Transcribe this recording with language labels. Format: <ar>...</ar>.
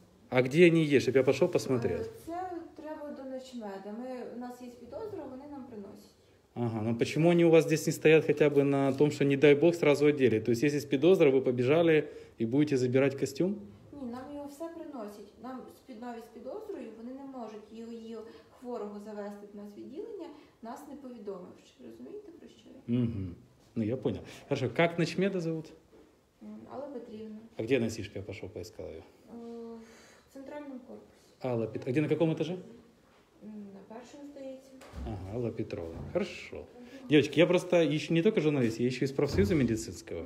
<ru>А где они есть, чтобы я пошел посмотреть? Это треба до ночмеда. У нас есть підозра, они нам приносят. Ага, но почему они у вас здесь не стоят хотя бы на том, что не дай бог сразу одели? То есть, если есть підозра, вы побежали и будете забирать костюм? Ні, нам его все приносят.</ru> <uk>Нам навіть з підозрою, вони не можуть її хворого завести в нас відділення, нас не повідомивши. Розумієте, про що я?</uk> <ru>Угу. Ну, я понял. Хорошо, как ночмеда зовут?</ru> <uk>Алла Петрівна.</uk> <ru>А где носишка? Я пошел, поискал ее. Центральном корпусе. А где, на каком этаже? На первом, сдается. Ага, Алла Петровна. Хорошо. Девочки, я просто еще не только журналист, я еще из профсоюза медицинского.</ru>